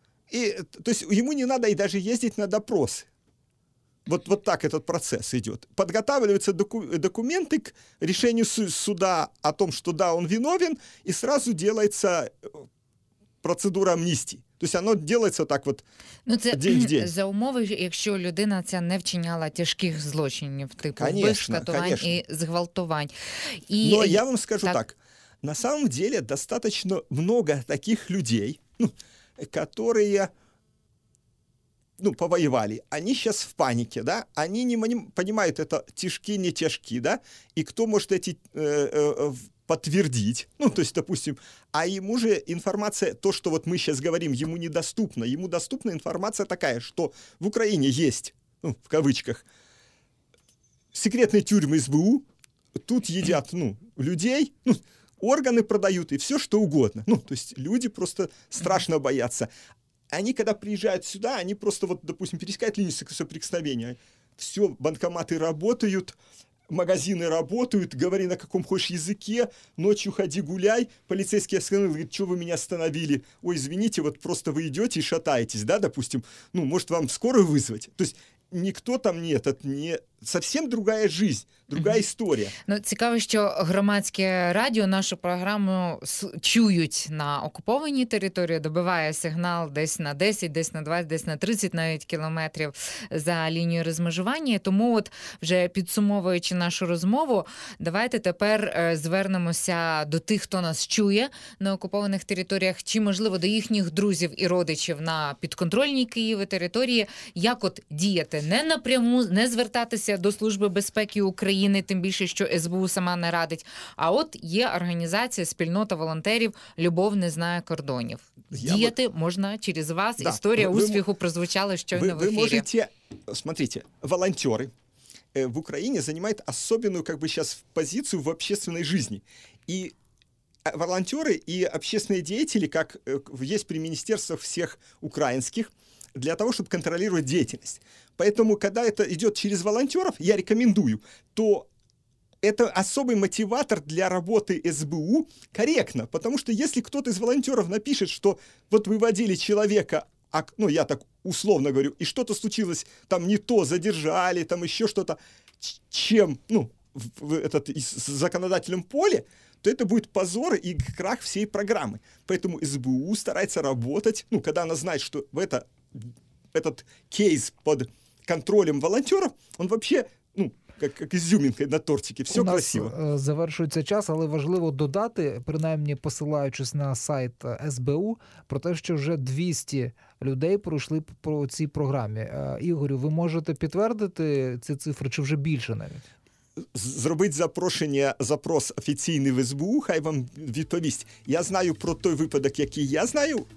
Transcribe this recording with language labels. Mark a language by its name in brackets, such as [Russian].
[Russian] И, то есть ему не надо и даже ездить на допросы. Вот, вот так этот процесс идет. Подготавливаются документы к решению суда о том, что да, он виновен, и сразу делается процедура амнистии. [Ukrainian] Тобто воно робиться так от день в день. За умови, якщо людина ця не вчиняла тяжких злочинів, типу вбивств і зґвалтувань. І... [Russian] Но я вам скажу так. На самом деле достаточно много таких людей, которые повоевали. Они сейчас в панике, да? Они не понимают, это тяжки, не тяжки, да? И кто может эти... подтвердить, то есть, допустим, а ему же информация, то, что вот мы сейчас говорим, ему недоступно, ему доступна информация такая, что в Украине есть, в кавычках, секретные тюрьмы СБУ, тут едят, людей, органы продают и все, что угодно, то есть люди просто страшно боятся. Они, когда приезжают сюда, они просто вот, допустим, пересекают линию соприкосновения, все, банкоматы работают, магазины работают, говори на каком хочешь языке, ночью ходи гуляй, полицейский остановил, говорит, что вы меня остановили, ой, извините, вот просто вы идете и шатаетесь, да, допустим, может вам скорую вызвать, то есть [Ukrainian] ніхто [Russian] там не этот, не совсем другая жизнь, другая [Ukrainian] історія. Цікаво, що громадське радіо нашу програму чують на окупованій території, добиває сигнал десь на 10, десь на 20, десь на 30 навіть кілометрів за лінією розмежування. Тому от вже підсумовуючи нашу розмову, давайте тепер звернемося до тих, хто нас чує на окупованих територіях, чи, можливо, до їхніх друзів і родичів на підконтрольній Києву території, як от діяти. Не напряму, не звертатися до Служби безпеки України, тим більше, що СБУ сама не радить. А от є організація, спільнота волонтерів «Любов не знає кордонів». Діяти можна через вас. Да. Історія успіху прозвучала щойно в ефірі. Ви можете, [Russian] смотрите, [Ukrainian] волонтери в Україні займають особливу, як би, зараз позицію [Russian] в общественной жизни. [Ukrainian] І волонтери, і [Russian] общественные деятели, [Ukrainian] як є при міністерствах всіх українських, для того, [Russian] чтобы контролировать деятельность. Поэтому, когда это идет через волонтеров, я рекомендую, то это особый мотиватор для работы СБУ корректно. Потому что если кто-то из волонтеров напишет, что вот выводили человека, я так условно говорю, и что-то случилось, там не то задержали, там еще что-то, чем в законодательном поле, то это будет позор и крах всей программы. Поэтому СБУ старается работать, когда она знает, что в это... этот кейс под контролем волонтеров, он вообще, как изюминка на тортике, все у нас красиво. [Ukrainian] Завершується час, але важливо додати, принаймні посилаючись на сайт СБУ, про те, що вже 200 людей пройшли по цій програмі. Ігорю, ви можете підтвердити ці цифри, чи вже більше навіть? Зробить запрошення, запрос офіційний в СБУ, хай вам відповість. Я знаю про той випадок, який я знаю.